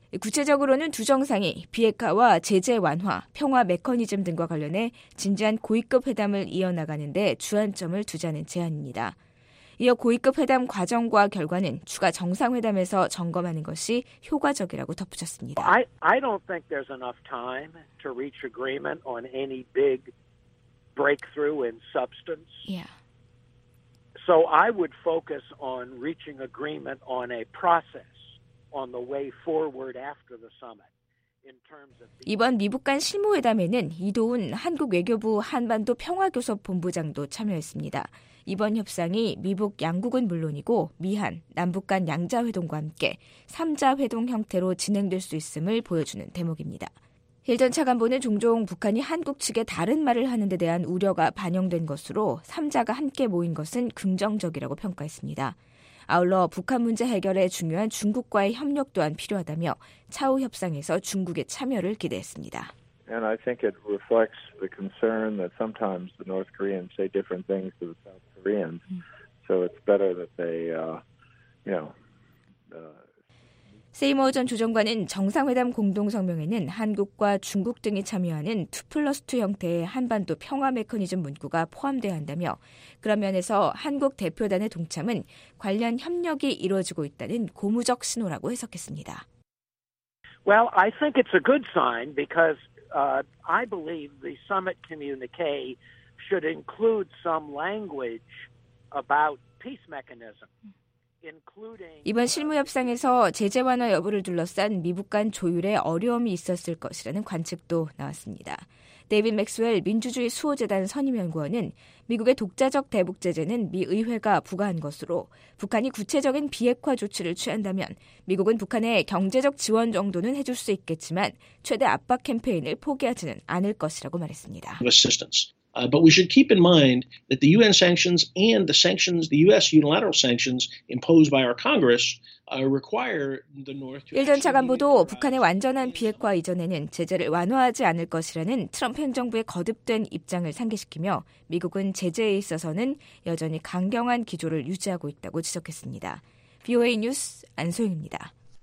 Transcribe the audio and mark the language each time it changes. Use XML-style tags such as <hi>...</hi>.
<ko>구체적으로는 두 정상이 비핵화와 제재 완화, 평화 메커니즘 등과 관련해 진지한 고위급 회담을 이어나가는 데 주안점을 두자는 제안입니다. 이어 고위급 회담 과정과 결과는 추가 정상회담에서 점검하는 것이 효과적이라고 덧붙였습니다.</ko> <en>I don't think there's enough time to reach agreement on any big breakthrough in substance. Yeah. So I would focus on reaching agreement on a process on the way forward after the summit.</en> <ko>이번 미북 간 실무회담에는 이도훈 한국 외교부 한반도 평화교섭본부장도 참여했습니다. 이번 협상이 미북 양국은 물론이고 미한, 남북 간 양자회동과 함께 3자회동 형태로 진행될 수 있음을 보여주는 대목입니다. 힐전 차관보는 종종 북한이 한국 측에 다른 말을 하는 데 대한 우려가 반영된 것으로 3자가 함께 모인 것은 긍정적이라고 평가했습니다. 아울러 북한 문제 해결에 중요한 중국과의 협력 또한 필요하다며 차후 협상에서 중국의 참여를 기대했습니다.</ko> <en>And I think it reflects the concern that sometimes the North Koreans say different things to the South Koreans. So it's better that they, you know.</en> <ko>세이머 전 조정관은 정상회담 공동성명에는 한국과 중국 등이 참여하는 2+2 형태의 한반도 평화 메커니즘 문구가 포함돼야 한다며 그런 면에서 한국 대표단의 동참은 관련 협력이 이루어지고 있다는 고무적 신호라고 해석했습니다.</ko> <en>Well, I think it's a good sign because I believe the summit communique should include some language about peace mechanism.</en> <ko>이번 실무협상에서 제재 완화 여부를 둘러싼 미북 간 조율에 어려움이 있었을 것이라는 관측도 나왔습니다. 데이빗 맥스웰 민주주의 수호재단 선임연구원은 미국의 독자적 대북 제재는 미 의회가 부과한 것으로 북한이 구체적인 비핵화 조치를 취한다면 미국은 북한의 경제적 지원 정도는 해줄 수 있겠지만 최대 압박 캠페인을 포기하지는 않을 것이라고 말했습니다.</ko> <en>But we should keep in mind that the UN sanctions and the sanctions, the U.S. unilateral sanctions imposed by our Congress require the North to.</en> <ko>일전 차관보도 북한의 완전한 비핵화 이전에는 제재를 완화하지 않을 것이라는 트럼프 행정부의 거듭된 입장을 상기시키며 미국은 제재에 있어서는 여전히 강경한 기조를 유지하고 있다고 지적했습니다. VOA 뉴스 안소영입니다.</ko>